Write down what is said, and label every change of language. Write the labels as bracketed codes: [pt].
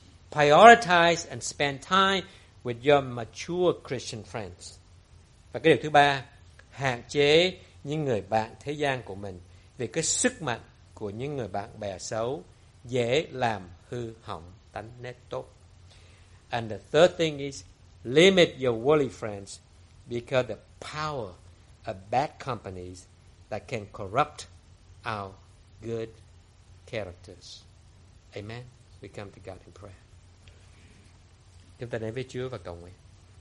[en] Prioritize and spend time with your mature Christian friends. [vi] Và cái điều thứ ba, hạn chế những người bạn thế gian của mình vì cái sức mạnh của những người bạn bè xấu dễ làm hư hỏng tánh nết tốt. [en] And the third thing is, limit your worldly friends because the power of bad companies that can corrupt our good characters. [vi] Amen. [en] We come to God in prayer. [vi] Chúng ta đến với Chúa và cầu nguyện.